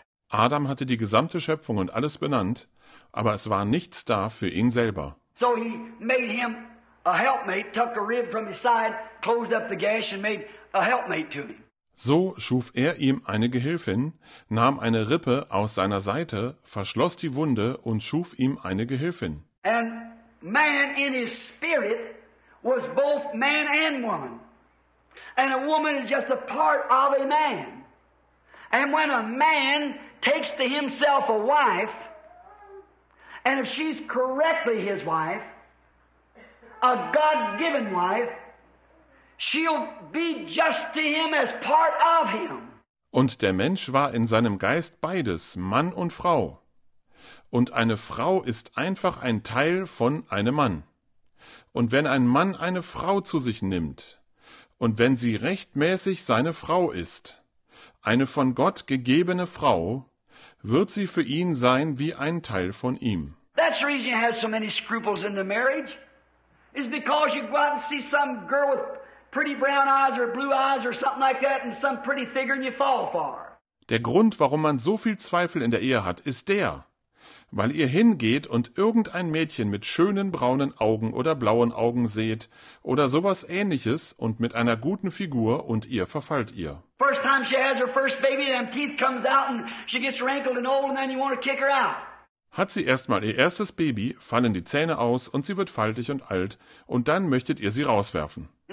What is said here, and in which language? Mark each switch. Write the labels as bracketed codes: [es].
[de] Adam hatte die gesamte Schöpfung und alles benannt, aber es war nichts da für ihn selber. [en] So he made him a helpmate, took a rib from his side, closed up the gash and made a helpmate to him. [de] So schuf er ihm eine Gehilfin, nahm eine Rippe aus seiner Seite, verschloss die Wunde und schuf ihm eine Gehilfin. [en] And man in his spirit was both man and woman. And a woman is just a part of a man. And when a man takes to himself a wife, and if she's correctly his wife, a God-given wife, she'll be just to him as part of him. [de] Und der Mensch war in seinem Geist beides, Mann und Frau. Und eine Frau ist einfach ein Teil von einem Mann. Und wenn ein Mann eine Frau zu sich nimmt, und wenn sie rechtmäßig seine Frau ist, eine von Gott gegebene Frau, wird sie für ihn sein wie ein Teil von ihm. [en] That's the reason you have so many scruples in the marriage. It's because you go out and see some girl with pretty brown eyes or blue eyes or something like that and some pretty figure and you fall for. [de] Der Grund, warum man so viel Zweifel in der Ehe hat, ist der, weil ihr hingeht und irgendein Mädchen mit schönen braunen Augen oder blauen Augen seht oder sowas ähnliches und mit einer guten Figur und ihr verfallt ihr. [en] First time she has her first baby, them teeth comes out and she gets wrinkled and old and then you want to kick her out. [de] Hat sie erstmal ihr erstes Baby, fallen die Zähne aus und sie wird faltig und alt und dann möchtet ihr sie rauswerfen.